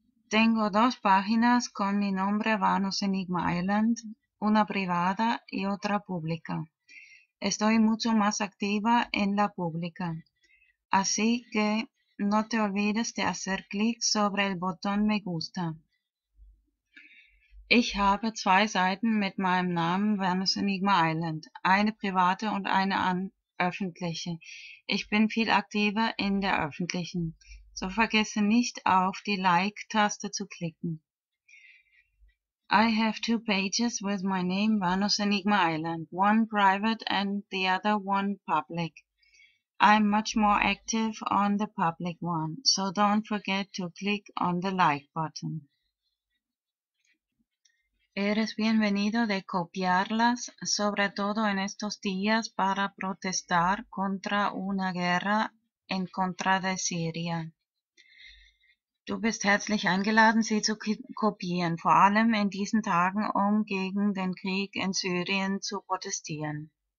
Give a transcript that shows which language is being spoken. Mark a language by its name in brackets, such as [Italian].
[Spanish] Tengo dos páginas con mi nombre, Vanus Enigma Island, una privada y otra pública. Estoy mucho más activa en la pública. Así que no te olvides de hacer clic sobre el botón Me gusta. [German] Ich habe zwei Seiten mit meinem Namen Vanus Enigma Island, eine private und eine an öffentliche. Ich bin viel aktiver in der öffentlichen. So vergesse nicht, auf die Like-Taste zu klicken. [English] I have two pages with my name Vanus Enigma Island, one private and the other one public. I'm much more active on the public one, so don't forget to click on the like button. [Spanish] Eres bienvenido de copiarlas, sobre todo en estos días para protestar contra una guerra en contra de Siria. [German] Du bist herzlich eingeladen, sie zu kopieren, vor allem in diesen Tagen, um gegen den Krieg in Syrien zu protestieren.